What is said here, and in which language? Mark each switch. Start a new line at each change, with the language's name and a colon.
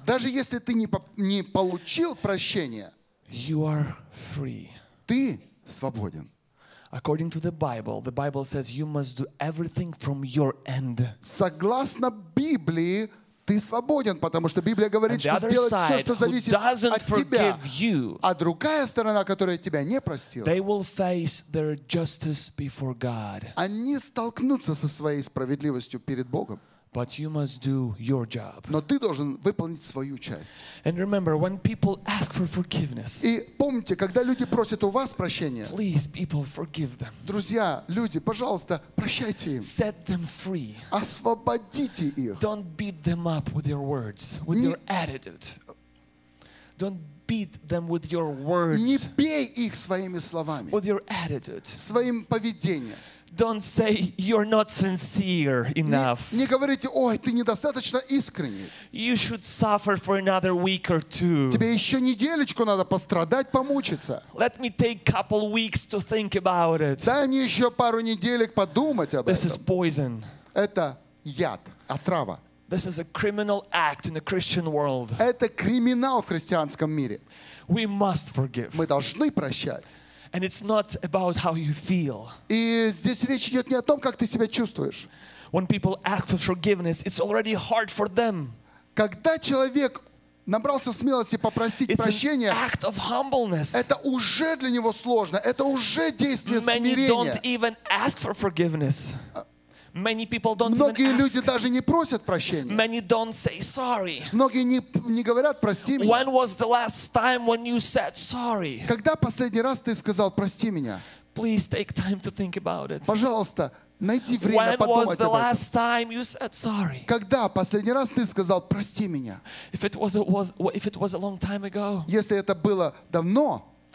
Russian: Даже если ты не получил прощения,
English: you are free.
Russian: Ты свободен.
English: According to the Bible says you must do everything from your end.
Russian: Согласно Библии, ты свободен, потому что Библия говорит, что сделать все, что зависит от тебя. А другая сторона, которая тебя не простила,
English: they will face their justice before God.
Russian: Они столкнутся со своей справедливостью перед Богом.
English: But you must do your job.
Russian: Но ты должен выполнить свою часть.
English: And remember, when people ask for forgiveness.
Russian: И помните, когда люди просят у вас прощения.
English: Please, people, forgive them.
Russian: Друзья, люди, пожалуйста, прощайте им.
English: Set them free.
Russian: Освободите их.
English: Don't beat them up with your words, with your attitude. Don't beat them with your words.
Russian: Не бей их своими словами.
English: With your attitude.
Russian: Своим поведением.
English: Don't say you're not sincere enough.
Russian: Не говорите, ой, ты недостаточно искренний.
English: You should suffer for another week or two.
Russian: Тебе еще неделечку надо пострадать, помучиться.
English: Let me take couple weeks to think about it.
Russian: Дай мне еще пару неделек подумать об этом.
English: This is poison.
Russian: Это яд, отрава.
English: This is a criminal act in the Christian world.
Russian: Это криминал в христианском мире.
English: We must forgive.
Russian: Мы должны прощать.
English: And it's not about how you feel.
Russian: И здесь речь идет не о том, как ты себя чувствуешь.
English: When people ask for forgiveness, it's already hard for them.
Russian: Когда человек набрался смелости попросить прощения,
English: it's an act of humbleness.
Russian: Это уже для него сложно. Это уже действие смирения.
English: Many don't even ask for forgiveness. Many people don't
Russian: Многие
English: even
Russian: люди
English: ask.
Russian: Даже не просят прощения.
English: Many don't say sorry.
Russian: Многие не говорят «прости меня».
English: When was the last time when you said sorry?
Russian: Когда последний раз ты сказал «прости меня»?
English: Please take time to think about it.
Russian: Пожалуйста, найди время подумать
English: was the
Russian: об
English: last
Russian: этом.
English: Time you said sorry?
Russian: Когда последний раз ты сказал «прости меня»?
English: If it was a long time ago,
Russian: если это было давно,